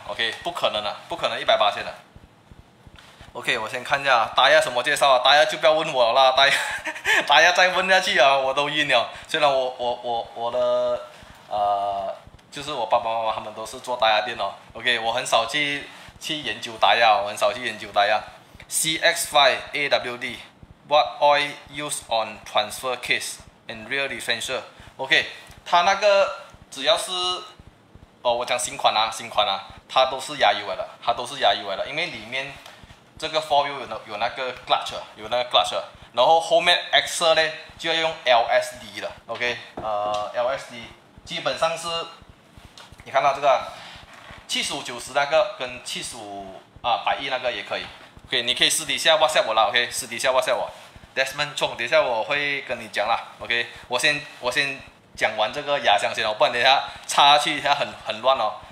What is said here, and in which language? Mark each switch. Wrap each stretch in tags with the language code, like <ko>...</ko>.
<zh>OK， 不可能的，不可能100%的。OK， 我先看一下打压什么介绍啊？打压就不要问我了啦，打压再问下去啊，我都晕了。虽然我的就是我爸爸妈妈他们都是做打压店哦 ，OK， 我很少去研究打压，我很少去研究打压。</zh> <en>CX5 AWD What oil use on transfer case and rear differential？</en> <zh>OK， 它那个只要是哦，我讲新款啊，它都是牙油来的，它都是牙油来的，因为里面这个 4U 有那个 clutch， 然然后后面 Excel 呢就要用 LSD 的 OK， LSD 基本上是你看到这个75-90那个跟75-100那个也可以 OK， 你可以私底下 WhatsApp 我啦 OK， 私底下 WhatsApp 我 Desmond Chong， 等一下我会跟你讲啦 OK， 我先讲完这个亚香先哦，不然等一下插去它很乱哦。</zh>